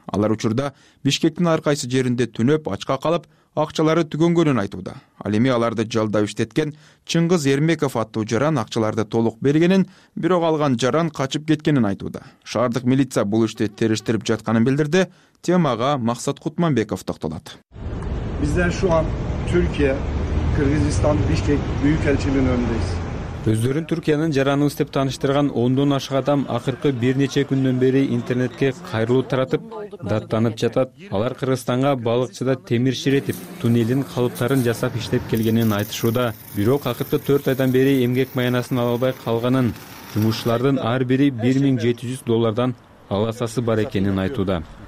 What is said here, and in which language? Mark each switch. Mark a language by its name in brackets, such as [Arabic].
[Kyrgyz] Алар учурда Бишкектин ар кайсы жеринде түнөп ачка калып, акчалары түгөнгөнүн айтууда. Ал эми аларды жалдап иштеткен Чыңгыз Эрмеков аттуу жаран акчаларды толук бергенин, бирок алган жаран качып кеткенин айтууда. Шаардык милиция бул иште териштирип жатканын билдирди. Темага Максат Кутманбеков токтолот. Бизден [Turkish] şu an Türkiye, Kırgızistan, Bişkek Büyükelçiliğinin önündeyiz. [Kyrgyz] Өздөрүн Түркиянын жараны деп тааныштырган 10 ашык адам акыркы бир нече күндөн бери интернетке кайрылуу таратып, даттанып жатат. Алар Кыргызстанга балыкчыда темир ширетип, туннелдин калыптарын жасап иштеп келгенин айтышууда. Бирок акыркы 4 айдан бери эмгек маянасын ала албай калганын, жумушчулардын ар бири $1700 аласасы бар экенин айтууда.